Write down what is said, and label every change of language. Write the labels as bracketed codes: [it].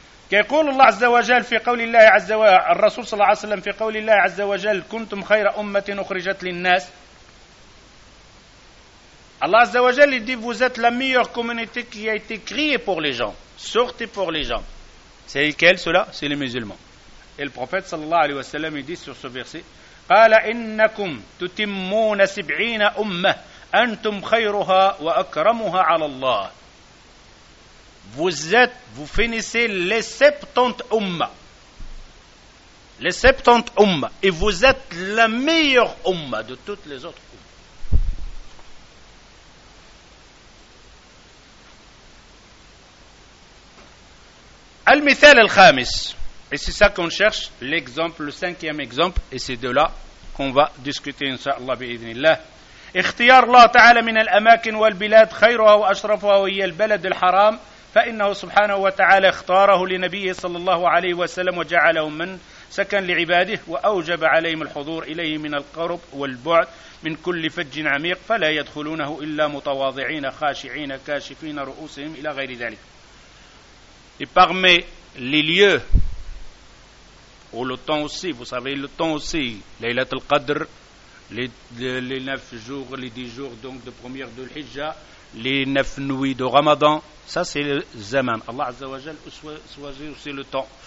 [ar] كيقول الله عز وجل في قول الله عز وجل الرسول صلى الله عليه وسلم في قول الله عز وجل كنتم خير أمة أخرجت للناس، الله عز وجل يدي [fr] vous êtes la meilleure communauté qui a été créée pour les gens, [ar] sortez pour les gens. [fr] C'est lesquels cela? C'est les musulmans. Et le prophète [ar] صلى الله عليه وسلم [fr] dit sur ce verset [ar] قال إنكم تتمون سبعين أمة أنتم خيرها وأكرمها على الله. [fr] Vous finissez les 70 ummah. Les 70 ummah. Et vous êtes la meilleure ummah de toutes les autres ummah. [ar] Al-Mithal al-Khamis. [fr] Et c'est ça qu'on cherche, l'exemple, le cinquième exemple. Et c'est de là qu'on va discuter, incha'Allah, bi-idhnillah. [ar] اختيار الله تعالى من الأماكن والبلاد خيرها وأشرفها وهي البلد الحرام. فإنه سبحانه وتعالى اختاره لنبيه صلى الله عليه وسلم وجعله من سكن لعباده وأوجب عليهم الحضور إليه من القرب والبعد من كل فج عميق، فلا يدخلونه إلا متواضعين خاشعين كاشفين رؤوسهم إلى غير ذلك. [fr] Parmi les lieux ou le temps aussi, vous savez le temps aussi, Laylat al-Qadr, les 9 jours, les 10 jours donc de première de l'Hijja, les 9 nuits de Ramadan. Ça c'est le zaman. Allah Azza wa Jal choisit aussi le temps.